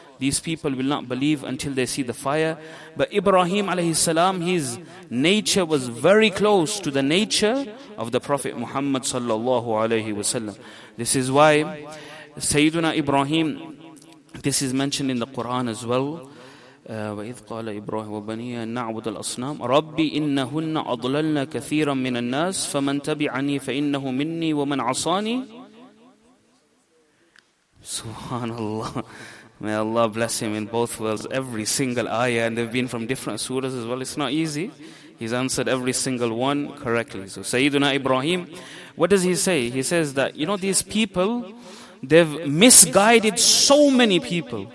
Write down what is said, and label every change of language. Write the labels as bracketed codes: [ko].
[en] These people will not believe until they see the fire. But Ibrahim alayhi salam, his nature was very close to the nature of the Prophet Muhammad sallallahu alayhi wasallam. This is why Sayyiduna Ibrahim, this is mentioned in the Quran as well. [ar] وَإِذْ قَالَ إِبْرَاهِيمُ وَبَنِيَّ نَعْبُدُ الْأَصْنَامَ رَبِّ إِنَّهُنَّ أَضْلَلْنَ كَثِيرًا مِنَ النَّاسِ فَمَن تَبِعَنِي فَإِنَّهُ مِنِّي وَمَن عَصَانِي Subhanallah. [en] May Allah bless him in both worlds. Every single ayah, and they've been from different surahs as well. It's not easy. He's answered every single one correctly. So Sayyiduna Ibrahim, what does he say? He says that, you know, these people, they've misguided so many people.